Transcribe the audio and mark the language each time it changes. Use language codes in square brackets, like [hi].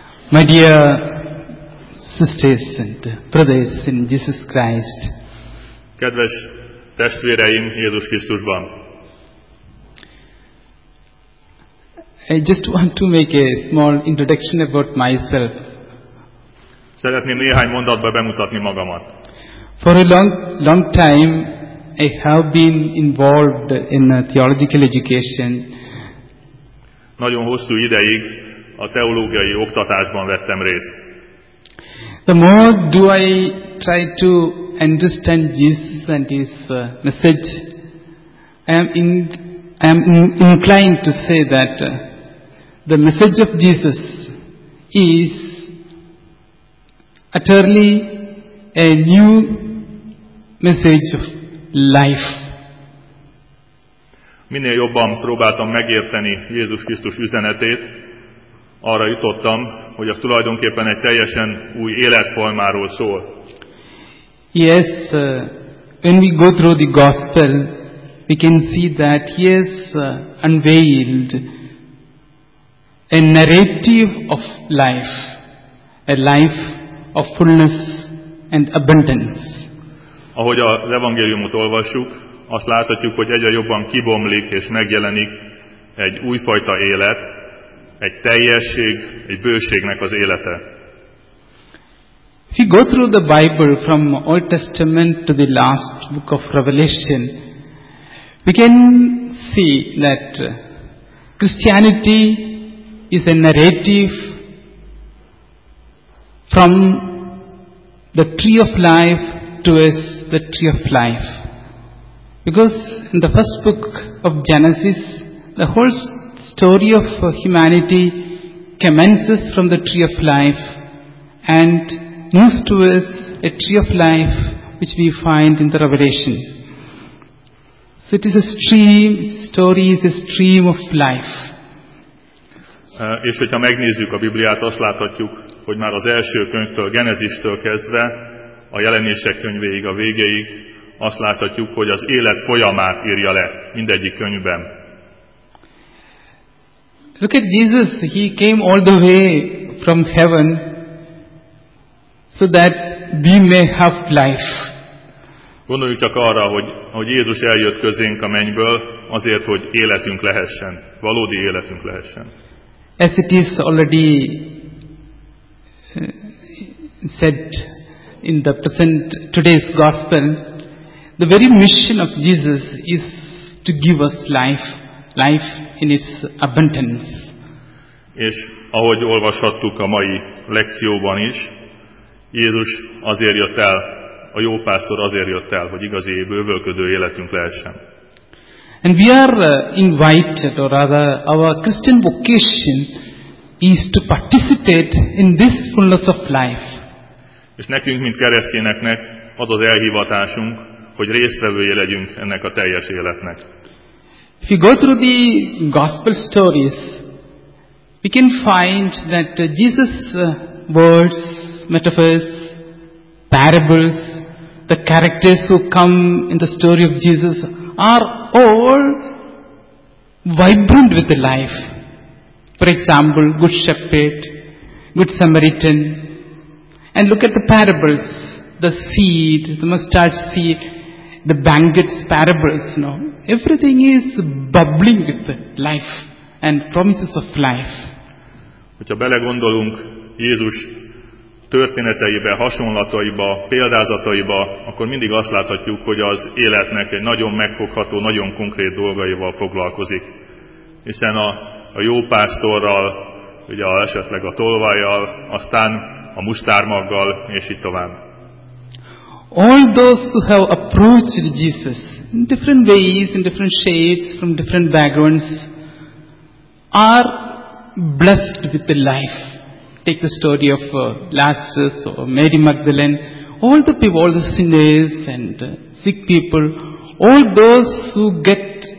[en] My dear sisters and brothers in Jesus Christ. [hu] Kedves testvéreim Jézus Krisztusban. [en] I just want to make a small introduction about myself. [hu] Szeretném néhány mondatba bemutatni magamat. [en] For a long time I have been involved in a theological education. [hu] Nagyon hosszú ideig a teológiai oktatásban vettem részt. [en] The more do I try to understand Jesus and his message, I am inclined to say that the message of Jesus is utterly a new message of life. [hu] Minél jobban próbáltam megérteni Jézus Krisztus üzenetét, arra jutottam, hogy az tulajdonképpen egy teljesen új életformáról szól. [en] Yes, when we go through the gospel, we can see that he has unveiled a narrative of life, a life of fullness and abundance. [hu] Ahogy az evangéliumot olvassuk, azt láthatjuk, hogy egyre jobban kibomlik és megjelenik egy újfajta élet, egy teljesség, egy bőségnek az élete. [en] If you go through the Bible from Old Testament to the last book of Revelation, we can see that Christianity is a narrative from the tree of life towards the tree of life. Because in the first book of Genesis, the whole story of humanity commences from the tree of life and moves towards a tree of life which we find in the Revelation. So it is a stream, story is a stream of life. [hu] És hogyha megnézzük a Bibliát, azt láthatjuk, hogy már az első könyvtől, Genesistől kezdve, a Jelenések könyvéig, a végéig, azt láthatjuk, hogy az élet folyamát írja le mindegyik könyvben. [en] Look at Jesus, he came all the way from heaven so that we may have life. [hu] Gondoljuk csak arra, hogy Jézus eljött közénk a mennyből azért, hogy életünk lehessen, valódi életünk lehessen. [en] As it is already said in the present today's gospel, the very mission of Jesus is to give us life, life in its abundance. [hu] És ahogy olvashattuk a mai lekcióban is, Jézus azért jött el, a jó pásztor azért jött el, hogy igazi bővölködő életünk lehessen. [en] And we are invited, or rather our Christian vocation is to participate in this fullness of life. [hu] És nekünk, mint keresztényeknek az az elhivatásunk, hogy résztvevője legyünk ennek a teljes életnek. [en] If you go through the gospel stories, we can find that Jesus' words, metaphors, parables, the characters who come in the story of Jesus are all vibrant with the life. For example, Good Shepherd, Good Samaritan. And look at the parables, the seed, the mustard seed, the banquet's parables. No? Everything is bubbling with the life and promises of life. [hu] Hogyha belegondolunk Jézus történeteibe, hasonlataiba, példázataiba, akkor mindig azt láthatjuk, hogy az életnek egy nagyon megfogható, nagyon konkrét dolgaival foglalkozik. Hiszen a jó pásztorral, ugye esetleg a tolvajjal, aztán a mustármaggal, és így tovább. [en] All those who have approached Jesus in different ways, in different shades, from different backgrounds, are blessed with the life. Take the story of Lazarus or Mary Magdalene. All the people, all the sinners and sick people, all those who get